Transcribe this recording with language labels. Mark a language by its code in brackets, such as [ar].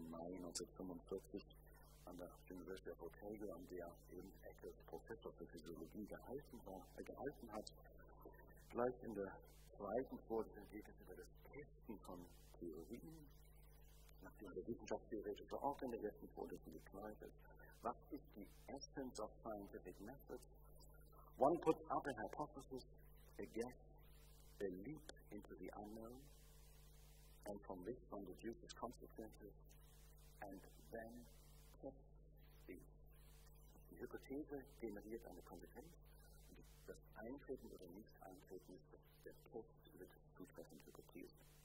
[de] Mai 1945, an der University of Otago, an der eben Eckes Professor für Physiologie gehalten hat. Gleich in der zweiten Vorlesung geht es über das Testen von Theorien, nachdem der wissenschaftstheoretische Ort in der ersten Vorlesung geklärt ist. Was ist die [en] Essence of Scientific Method? One puts up a hypothesis, a guess, a leap into the unknown, and from this one deduces consequences, and then tests these. [de] Die Hypothese generiert eine Konsequenz, und das Eintreten oder Nicht-Eintreten ist der Test über die zutreffende Hypothese.